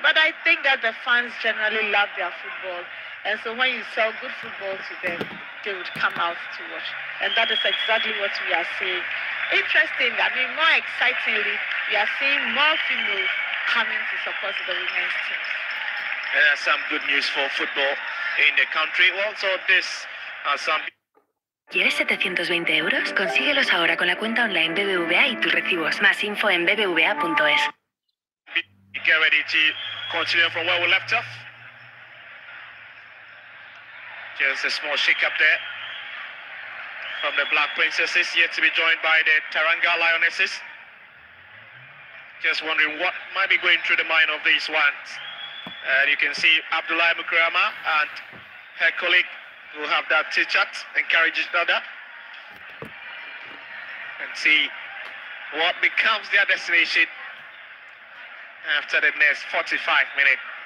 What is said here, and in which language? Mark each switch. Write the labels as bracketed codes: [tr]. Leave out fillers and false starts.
[en] But I think that the fans generally love their football. And so when you sell good football to them, they would come out to watch. And that is exactly what we are seeing. Interesting. I mean, more excitingly, we are seeing more females coming to support the women's teams. And that's some good news for football in the country. Also, this are some... [es] ¿Quieres 720 euros? Consíguelos ahora con la cuenta online BBVA y tus recibos. Más info en bbva.es. [en] Get ready to continue from where we left off. Just a small shake-up there from the Black Princesses, yet to be joined by the Taranga Lionesses. Just wondering what might be going through the mind of these ones. And you can see Abdullahi Mukurama and her colleague who have that tea chat, encourage each other and see what becomes their destination after the next 45 minutes.